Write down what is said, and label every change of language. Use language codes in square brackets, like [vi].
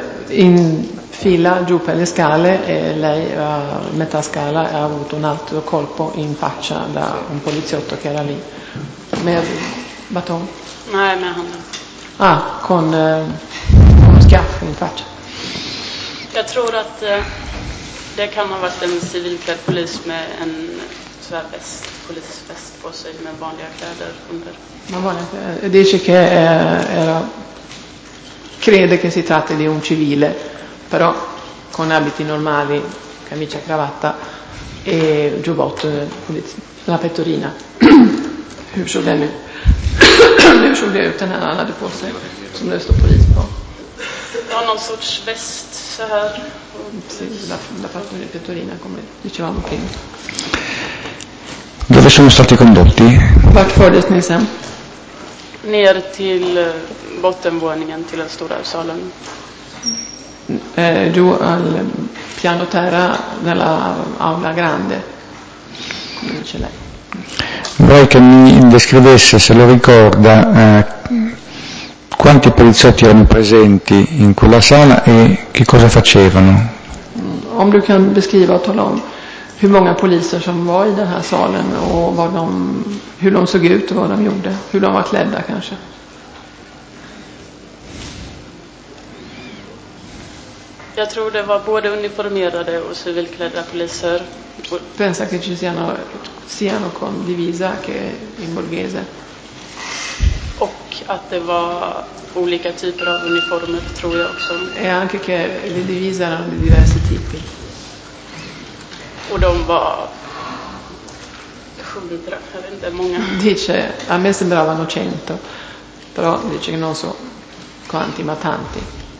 [it] In fila giù per le scale e lei a metà scala ha avuto un altro colpo in faccia da un poliziotto che era lì. [sv] Med baton? Nej, med handen. [it] Ah, con uno schiaffo in faccia. [sv] Jag tror att det kan ha varit en civilklädd polis med en sådär polisväst på sig med vanliga kläder under. Ma vanliga kläder. [it] Dice che era, crede che si tratti di un civile, però con abiti normali, camicia, cravatta e giubbotto, la pettorina. [sv] Hur såg den ut? Hur såg det ut den här han hade på sig, som det stod polis på? Ja, någon sorts väst så här. [it] La pettorina, come dicevamo prima. Dove sono stati condotti? [sv] Vart fördes ni sen? Ner till bottenvåningen, till den stora salen. [it] Giù al piano terra nella aula grande, come dice lei. Vorrei che mi descrivesse, se lo ricorda, quanti poliziotti erano presenti in quella sala e che cosa facevano. [sv] Om du kan beskriva och tala om hur många poliser som var i den här salen och vad de, hur de såg ut och vad de gjorde, hur de var klädda kanske. Jag tror det var både uniformerade och civilklädda poliser. [it] Pensa che ci siano con divisa che in borghese. [sv] Och att det var olika typer av uniformer tror jag också. [it] E anche che le divise erano di diversi tipi. [sv] Och de var 100, jag vet inte, många. [it] Dice, a me sembravano 100, però dice che non so quanti, ma tanti.